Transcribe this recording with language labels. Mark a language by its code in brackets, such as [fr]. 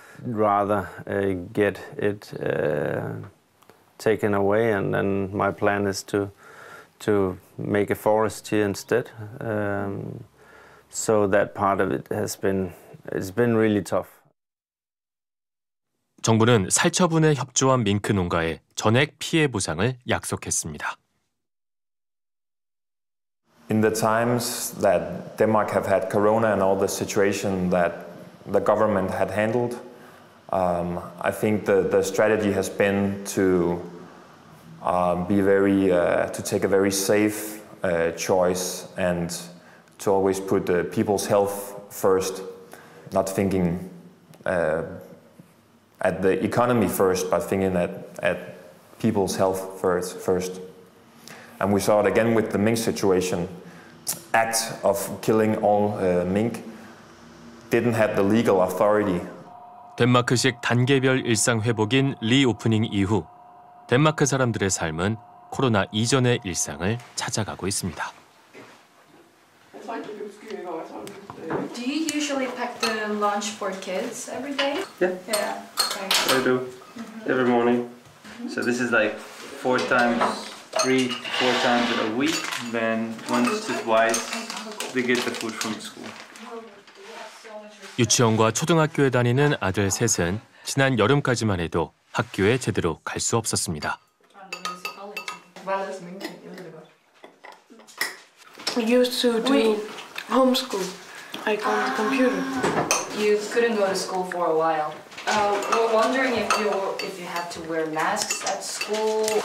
[en] Rather get it taken away, and then my plan is to make a forest here instead. So that part of it has been, it's been really tough. [ko] 정부는 살처분에 협조한 밍크 농가에 전액 피해 보상을 약속했습니다. [en] In the times that Denmark have had corona and all the situation that the government had handled, I think the strategy has been to to take a very safe choice and to always put the people's health first, not thinking at the economy first, but thinking at people's health first. And we saw it again with the mink situation. Act of killing all mink didn't have the legal authority. [ko] 덴마크식 단계별 일상 회복인 리오프닝 이후 덴마크 사람들의 삶은 코로나 이전의 일상을 찾아가고 있습니다. [en] Do you usually pack the lunch for kids every day? Yeah. Okay. I do. Mm-hmm. Every morning. Mm-hmm. So this is like four times in a week. Then once to twice, they get the food from school. [ko] 유치원과 초등학교에 다니는 아들 셋은 지난 여름까지만 해도 학교에 제대로 갈 수 없었습니다. [en] We used to do homeschool, like on the computer. You couldn't go to school for a while. We're wondering if you have to wear masks at school.